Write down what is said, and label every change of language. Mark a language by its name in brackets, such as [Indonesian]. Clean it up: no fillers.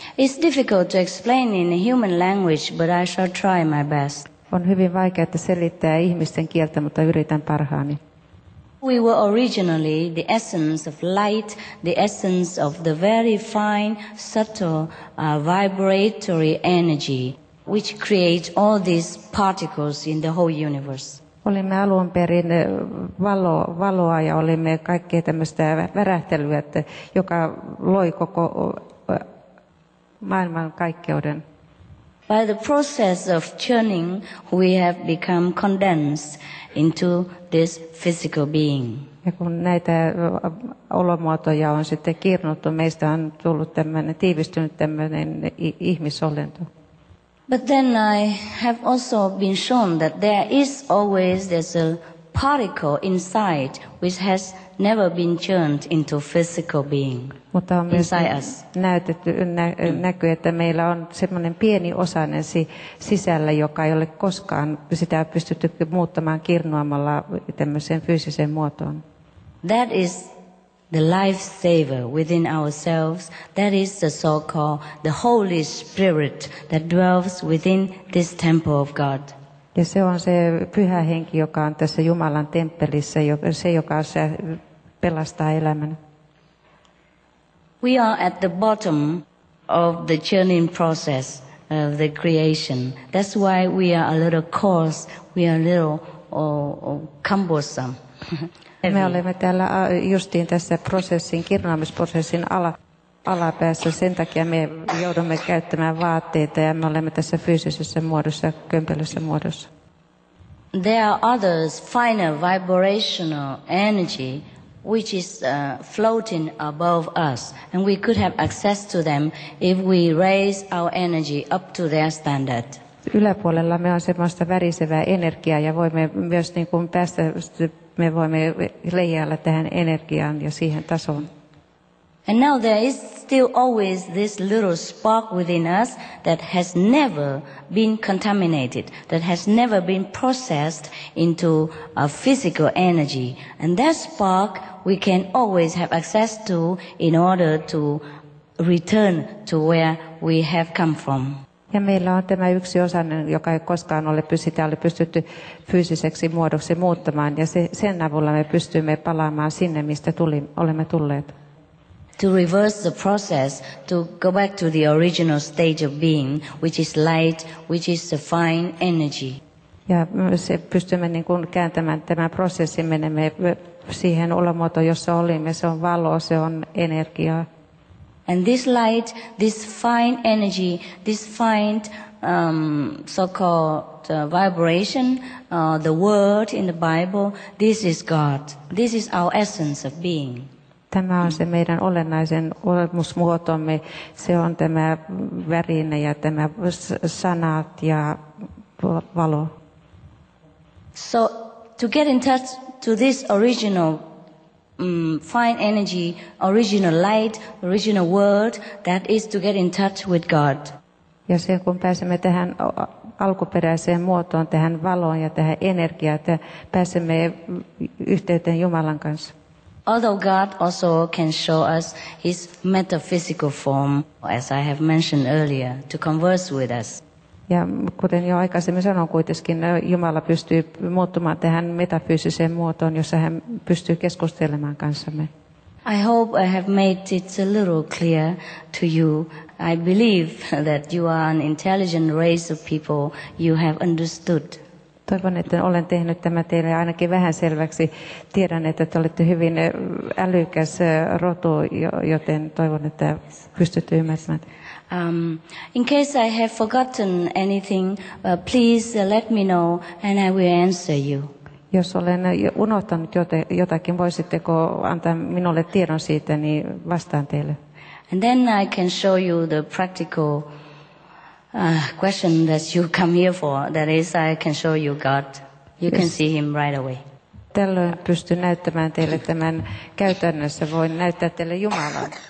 [English] It's difficult to explain in human language, but I shall try my best. [Finnish] On hyvin vaikea selittää ihmisten kieltä, mutta yritän parhaani. [English] We were originally the essence of light, the essence of the very fine, subtle, vibratory energy, which creates all these particles in the whole universe. [Finnish] Olimme alun perin valoa ja olimme kaikkea tämmöistä värähtelyä, joka loi koko maailmankaikkeuden. [English] By the process of churning, we have become condensed into this physical being. [Finnish] Ja kun näitä olomuotoja on sitten kirnuttu, meistä on tullut tämmöinen, tiivistynyt tämmöinen ihmisolento. [English] But then I have also been shown that there is always there's a particle inside which has never been churned into physical being. [Finnish] Mutta on [English] inside us. [Finnish] Näytetty, näkyy, että meillä on semmoinen pieni osanen sisällä, joka ei ole koskaan sitä pystytty muuttamaan kirnuamalla tämmöiseen fyysiseen muotoon. [English] That is the life saver within ourselves, that is the so-called the Holy Spirit that dwells within this temple of God. [Finnish] Ja se on se pyhä henki, joka on tässä Jumalan temppelissä, se joka se pelastaa elämän. [English] We are at the bottom of the churning process of the creation. That's why we are a little coarse, we are a little cumbersome. [Finnish] Me olemme täällä justiin tässä prosessin, kirnaamisprosessin alapäässä. Sen takia me joudumme käyttämään vaatteita ja me olemme tässä fyysisessä muodossa, kömpelössä muodossa. [English] There are others, finer vibrational energy, which is floating above us. And we could have access to them if we raise our energy up to their standard. [Finnish] Yläpuolella me on semmoista värisevää energiaa ja voimme myös niin kuin päästä... Me voimme leijailla tähän energiaan ja siihen tasoon. [English] And now there is still always this little spark within us that has never been contaminated, that has never been processed into a physical energy. And that spark we can always have access to in order to return to where we have come from. [Finnish] Ja meillä on tämä yksi osanen, joka ei koskaan ole pystytty fyysiseksi muodoksi muuttamaan, ja sen avulla me pystymme palaamaan sinne, mistä olemme tulleet. [English] To reverse the process, to go back to the original stage of being, which is light, which is the fine energy. [Finnish] Ja se pystymme niin kuin kääntämään tämän prosessin, menemme siihen olomuotoon, jossa olimme, se on valo, se on energiaa. [English] And this light, this fine energy, this fine so-called vibration, the word in the Bible, this is God. This is our essence of being. [Finnish] Tämä on se meidän olennaisen olemusmuotomme. Se on tämä värinä ja tämä sanat ja valo. [English] So to get in touch to this original fine energy, original light, original word, that is to get in touch with God. [Finnish] Ja sen kun pääsemme tähän alkuperäiseen muotoon, tähän valoon ja tähän energiaan, että pääsemme yhteyteen Jumalan kanssa. [English] Although God also can show us his metaphysical form, as I have mentioned earlier, to converse with us. [Finnish] Ja kuten jo aikaisemmin sanoin, kuitenkin Jumala pystyy muuttumaan tähän metafyysiseen muotoon, jossa hän pystyy keskustelemaan kanssamme. [English] I hope I have made it a little clear to you. I believe that you are an intelligent race of people. You have understood. [Finnish] Toivon, että olen tehnyt tämä teille ainakin vähän selväksi. Tiedän, että te olette hyvin älykäs rotu, joten toivon, että pystytte ymmärtämään. [English] In case I have forgotten anything, please let me know and I will answer you. [Finnish] Jos olen unohtanut jotakin, voisitteko antaa minulle tiedon siitä, niin vastaan teille. [English] And then I can show you the practical question that you come here for. That is, I can show you God. You can see him right away. [Finnish] Tällöin pystyn näyttämään teille tämän käytännössä. Voin näyttää teille Jumalan.